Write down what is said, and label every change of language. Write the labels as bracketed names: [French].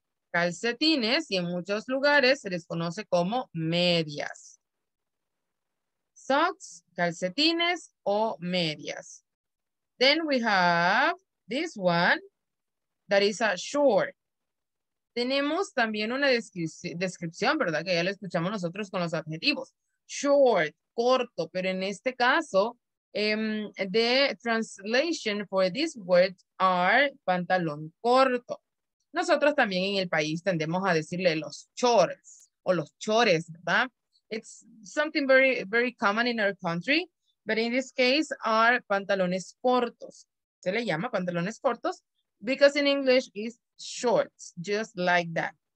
[Spanish] Calcetines, y en muchos lugares se les conoce como medias. Socks, calcetines o medias. [English] Then we have this one that is a short. [Spanish] Tenemos también una descripción, ¿verdad? Que ya lo escuchamos nosotros con los adjetivos. Short, corto, pero en este caso, [English] the translation for this word are [Spanish] pantalón corto. Nosotros también en el país tendemos a decirle los shorts o los chores, ¿verdad? [English] It's something very, very common in our country, but in this case are pantalones cortos. [Spanish] Se le llama pantalones cortos [English] because in English is shorts, just like that.